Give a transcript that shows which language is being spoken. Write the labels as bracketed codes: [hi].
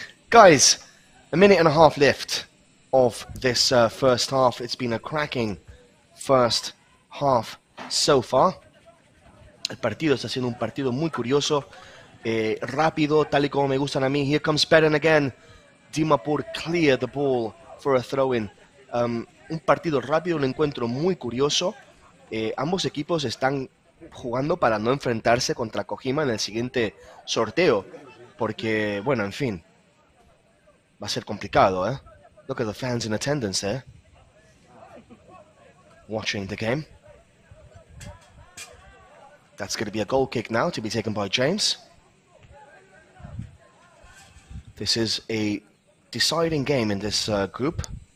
[en] Guys, a minute and a half left of this first half. It's been a cracking first half so far. [es] El partido está siendo un partido muy curioso, rápido, tal y como me gustan a mí. [en] Here comes Peren again. Dimapur clear the ball for a throw-in. [es] Un partido rápido, un encuentro muy curioso. Ambos equipos están jugando para no enfrentarse contra Kojima en el siguiente sorteo, porque, bueno, en fin, va a ser complicado, ¿eh? [en] Look at the fans in attendance there, watching the game. That's going to be a goal kick now to be taken by James. This is a deciding game in this group.